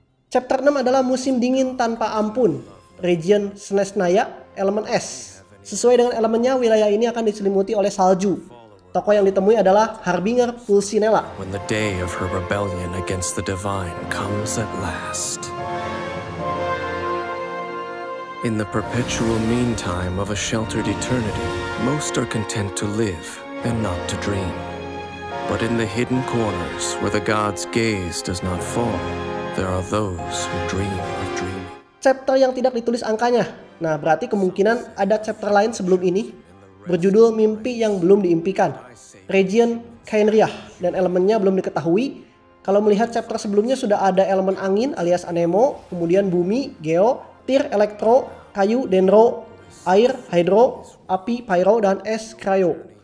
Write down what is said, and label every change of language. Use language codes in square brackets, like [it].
[id] Chapter 6 adalah Musim Dingin Tanpa Ampun, Region Snesnaya, elemen es. Sesuai dengan elemennya, wilayah ini akan diselimuti oleh salju. Tokoh yang ditemui adalah Harbinger Pulcinella. [en] When the day of her rebellion against the divine comes at last. In the perpetual meantime of a sheltered eternity, most are content to live and not to dream. But in the hidden corners where the god's gaze does not fall, there are those who dream of dreaming. [id] Chapter yang tidak ditulis angkanya. Nah, berarti kemungkinan ada chapter lain sebelum ini. Berjudul Mimpi Yang Belum Diimpikan, Region Kainriah, dan elemennya belum diketahui. Kalau melihat chapter sebelumnya sudah ada elemen angin alias anemo, kemudian bumi, geo, tir, elektro, kayu, dendro, air, hydro, api, pyro, dan es, cryo.